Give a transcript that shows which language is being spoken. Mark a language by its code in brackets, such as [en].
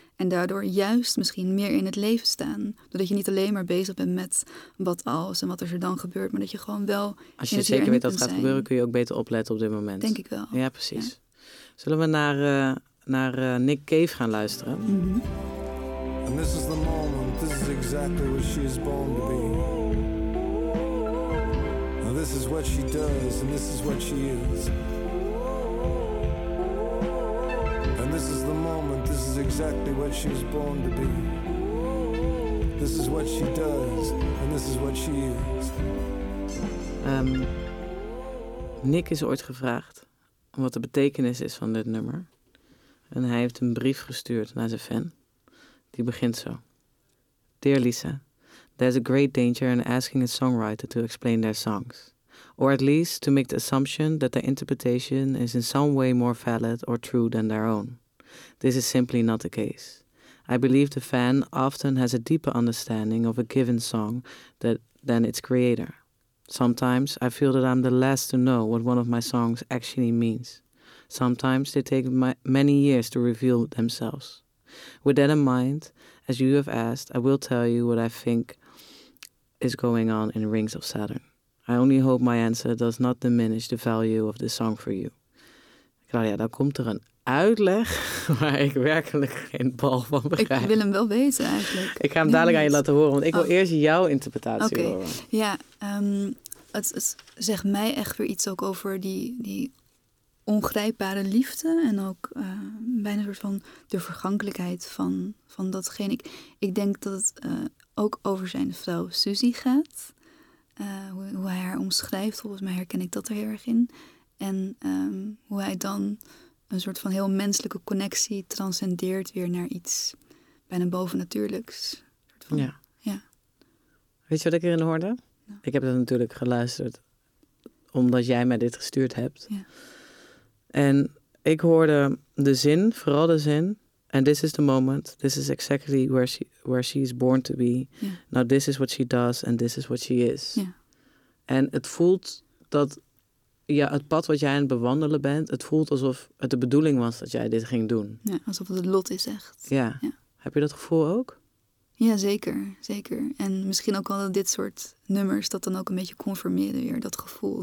[nl] En daardoor juist misschien meer in het leven staan. Doordat je niet alleen maar bezig bent met wat als en wat er dan gebeurt, maar dat je gewoon wel... Als je zeker weet dat het gaat gebeuren, kun je ook beter opletten op dit moment. Denk ik wel. Ja, precies. Ja. Zullen we naar Nick Cave gaan luisteren? [en] Mm-hmm. And this is the moment. This is exactly what she is born to be. Now this is what she does, and this is what she is. And this is the moment, this is exactly what she is born to be. This is what she does, and this is what she is. [nl] Nick is ooit gevraagd wat de betekenis is van dit nummer. En hij heeft een brief gestuurd naar zijn fan. Die begint zo. [en] Dear Lisa, there's a great danger in asking a songwriter to explain their songs, or at least to make the assumption that their interpretation is in some way more valid or true than their own. This is simply not the case. I believe the fan often has a deeper understanding of a given song than its creator. Sometimes I feel that I'm the last to know what one of my songs actually means. Sometimes they take many years to reveal themselves. With that in mind, as you have asked, I will tell you what I think is going on in Rings of Saturn. I only hope my answer does not diminish the value of the song for you. [nl] Claudia, dan komt er een uitleg waar ik werkelijk geen bal van begrijp. Ik wil hem wel weten eigenlijk. Ik ga hem dadelijk aan je laten horen, want ik wil eerst jouw interpretatie horen. Ja, het zegt mij echt weer iets ook over die ongrijpbare liefde en ook bijna een soort van de vergankelijkheid van datgene. Ik denk dat het ook over zijn vrouw Suzy gaat. Hoe hij haar omschrijft, volgens mij herken ik dat er heel erg in. En hoe hij dan een soort van heel menselijke connectie transcendeert weer naar iets bijna bovennatuurlijks. Ja. Weet je wat ik erin hoorde? Ik heb dat natuurlijk geluisterd omdat jij mij dit gestuurd hebt. [en] Yeah. [nl] En ik hoorde de zin, vooral de zin. [en] And this is the moment. This is exactly where she is born to be. Yeah. Now this is what she does and this is what she is. Yeah. [nl] En het voelt dat ja, het pad wat jij aan het bewandelen bent, het voelt alsof het de bedoeling was dat jij dit ging doen. Ja, alsof het lot is echt. Ja. Ja. Heb je dat gevoel ook? Ja, zeker. Zeker. En misschien ook al dit soort nummers dat dan ook een beetje confirmeerde weer, dat gevoel.